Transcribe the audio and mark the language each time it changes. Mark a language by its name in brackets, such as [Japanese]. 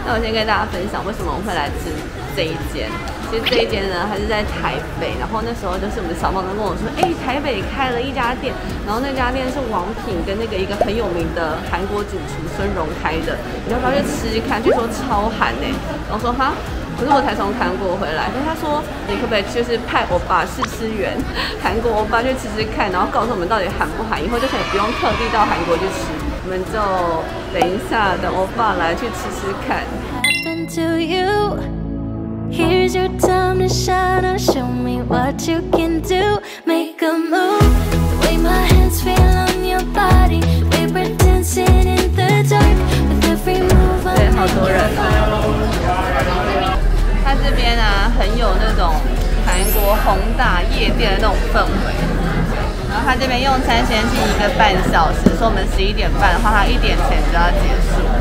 [Chinese] 那我先跟大家分享为什么我们会来吃这一间。其实这一间呢还是在台北，然后那时候就是我们的小胖跟我说，哎，台北开了一家店，然后那家店是王品跟那个一个很有名的韩国主厨孙荣开的，你要不要去吃一看，据说超韩耶。然后说哈，可是我才从韩国回来，但他说你可不可以就是派欧巴试吃员，韩国欧巴去吃吃看，然后告诉我们到底韩不韩，以后就可以不用特地到韩国去吃，我们就等一下等欧巴来去吃吃看。 [English] Here's your time to shine or show me what you can do. Make a move. The way my hands feel on your body. We were dancing in the dark with every move. [Chinese] 对，好多人哦。他这边啊，很有那种韩国宏大夜店的那种氛围。然后他这边用餐时间是一个半小时，说我们十一点半的话，他一点前就要结束。